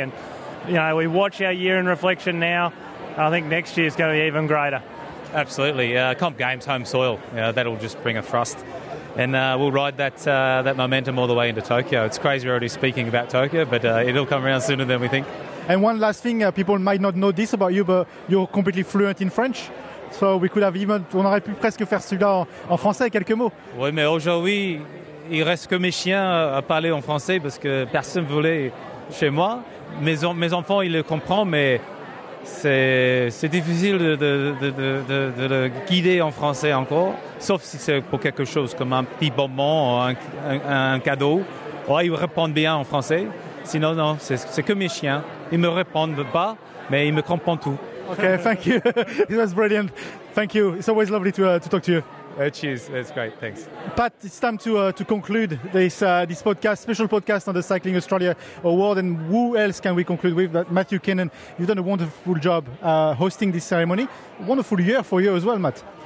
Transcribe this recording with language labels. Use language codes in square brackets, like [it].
[en] And, you know, we watch our year in reflection now. I think next year is going to be even greater. Absolutely. Comp Games, home soil. You know, that'll just bring a thrust. And we'll ride that that momentum all the way into Tokyo. It's crazy we're already speaking about Tokyo, but it'll come around sooner than we think. And one last thing, people might not know this about you, but you're completely fluent in French. So we could have even, [fr] on aurait pu presque faire cela en français, quelques mots. Oui, mais aujourd'hui, il reste que mes chiens à parler en français parce que personne voulait chez moi. Mes enfants, ils le comprennent, mais c'est difficile de le guider en français encore. Sauf si c'est pour quelque chose comme un petit bonbon ou un cadeau. Ouais, ils répondent bien en français. Sinon, non, c'est que mes chiens. Ils me répondent pas, mais ils me comprennent tout. [en] Okay, thank you. It was brilliant. Thank you. It's always lovely to talk to you. Cheers. That's great. Thanks. Pat, it's time to conclude this podcast, special podcast on the Cycling Australia Award. And who else can we conclude with? That Matthew Kinnon, you've done a wonderful job hosting this ceremony. Wonderful year for you as well, Matt.